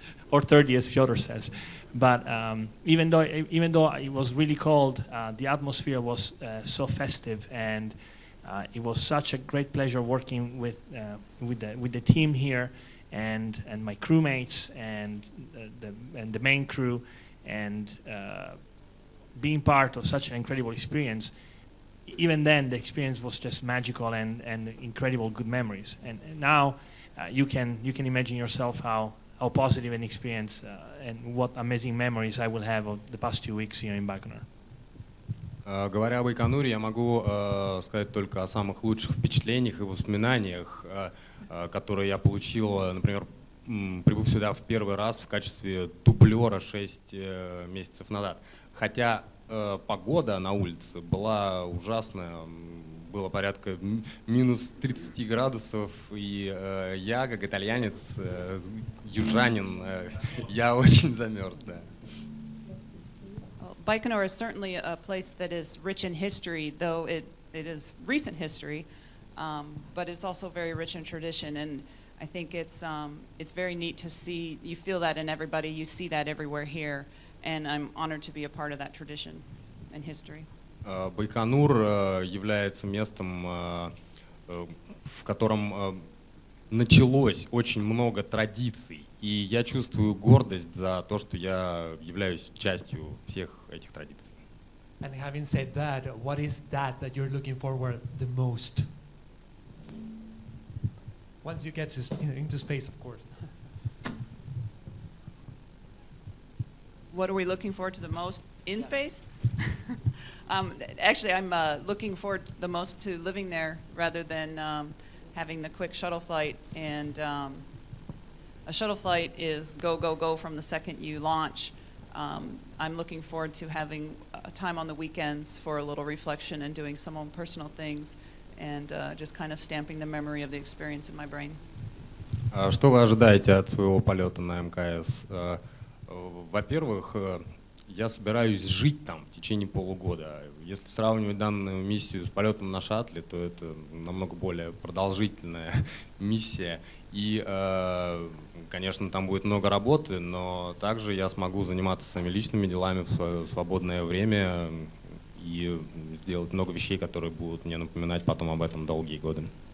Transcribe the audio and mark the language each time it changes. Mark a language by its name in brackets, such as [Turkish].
[English] Or 30, as Fyodor says. But even though it was really cold, the atmosphere was so festive, and it was such a great pleasure working with the team here, and my crewmates, and the main crew, and being part of such an incredible experience. Even then, the experience was just magical and incredible good memories. And now, you can imagine yourself how positive an experience and what amazing memories I will have of the past 2 weeks here in Baikonur. [Russian] Говоря об Байконуре, я могу сказать только о самых лучших впечатлениях и воспоминаниях, которые я получил, например, прибыв сюда в первый раз в качестве дублера 6 месяцев назад. Хотя погода на улице была ужасная, было порядка минус 30 градусов, и я, как итальянец, южанин, я очень замерз, да. [English] Baikonur is certainly a place that is rich in history, though it is recent history, but it's also very rich in tradition, and I think it's very neat to see, you feel that in everybody, you see that everywhere here, and I'm honored to be a part of that tradition and history. [Russian] Байконур является местом, в котором началось очень много традиций, и я чувствую гордость за то, что я являюсь частью всех этих традиций. [English] And having said that, what is that that you're looking forward the most? Once you get into space, of course. What are we looking forward to the most in space? actually, I'm looking forward the most to living there rather than having the quick shuttle flight. And a shuttle flight is go, go, go from the second you launch. I'm looking forward to having time on the weekends for a little reflection and doing some own personal things and just kind of stamping the memory of the experience in my brain. [Russian] Что вы ожидаете от своего полета на МКС? Во-первых, я собираюсь жить там в течение полугода. Если сравнивать данную миссию с полетом на шаттле, то это намного более продолжительная миссия. И, конечно, там будет много работы, но также я смогу заниматься своими личными делами в свое свободное время и сделать много вещей, которые будут мне напоминать потом об этом долгие годы.